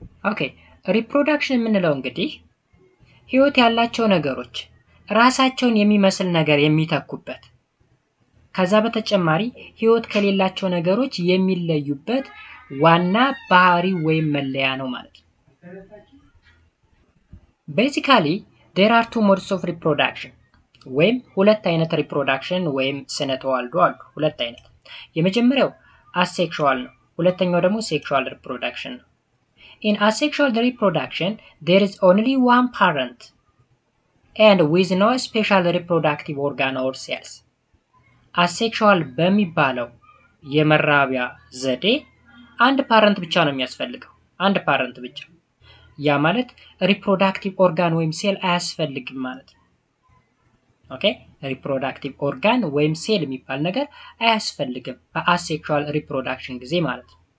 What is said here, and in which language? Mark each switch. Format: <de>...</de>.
<am>Okay, reproduction የምንለው እንግዲህ ህይወት ያላቸው ነገሮች ራሳቸውን የሚመስል ነገር የሚተኩበት ከዛ በተጨማሪ ህይወት ከሌላቸው ነገሮች የሚለዩበት ዋና ባህሪ ወይም መለያ ነው ማለት ነው።</am> <en>Basically, there are two modes of reproduction.</en> <am>When ሁለት አይነት reproduction ወይም ስነ ተዋልዶ አሉ ሁለት አይነት የመጀመሪያው asexual ነው ሁለተኛው ደግሞ sexual reproduction ነው</am> <en>In asexual reproduction there is only one parent and with no special reproductive organ or cells.</en> <am>Asexual በሚባለው የመራቢያ ዘዴ አንድ parent ብቻ ነው የሚያስፈልገው አንድ parent ብቻ ያ ማለት ሪፕሮዳክቲቭ ኦርጋን ወይም ሴል አያስፈልግም ማለት ኦኬ ሪፕሮዳክቲቭ ኦርጋን ወይም ሴል የሚባል ነገር አያስፈልግም በአሴክሹዋል ሪፕሮዳክሽን ጊዜ ማለት</am>